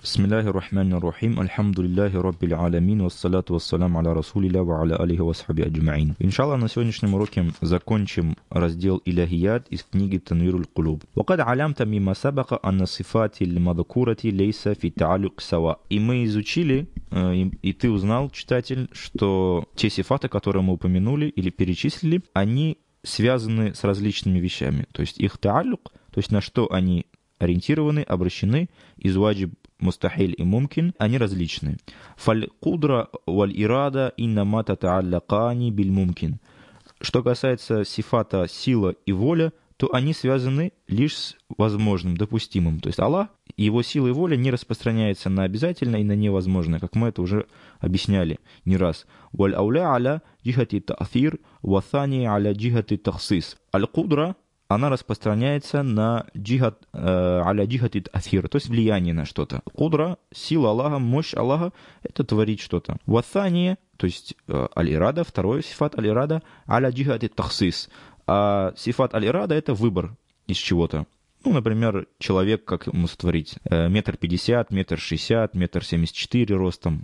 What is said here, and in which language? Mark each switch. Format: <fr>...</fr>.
<ar>بسم الله الرحمن الرحيم الحمد لله رب العالمين والصلاة والسلام على رسول الله وعلى آله وصحبه أجمعين.</ar> <ru>إن شاء الله на сегодняшнем уроке закончим раздел إلهيات из книги تنوير القلوب.</ru> <ar>وقد علمت مما سبق أن صفات المذكورة ليس في التعلق سواء.</ar> <ru>И мы изучили, и ты узнал, читатель, что те сифаты, которые мы упомянули или перечислили, они связаны с различными вещами. То есть их تعلق, то есть на что они ориентированы, обращены, из ваджиб مستحيل и мумкин, они различны.</ru> <ar>فالقدرة والإرادة إنما تتعلقان بالممكن.</ar> <ru>Что касается сифата сила и воля, то они связаны лишь с возможным, допустимым. То есть Аллах, его сила и воля не распространяется на обязательное и на невозможное, как мы это уже объясняли не раз.</ru> <ar>والأولى على جهة التأثير والثانية على جهة التخصيص.</ar> <ru>القدرة, она распространяется на джихат,</ru> <ar>аля джихат и тафир,</ar> <ru>то есть влияние на что-то. Кудра, сила Аллаха, мощь Аллаха, это творить что-то. Ватхания, то есть аль-ирада, второй сифат аль-ирада,</ru> <ar>аля джихат и тахсис.</ar> <ru>А сифат аль-ирада — это выбор из чего-то. Ну, например, человек, как ему сотворить, 1.50 м, 1.60 м, 1.74 м ростом.</ru>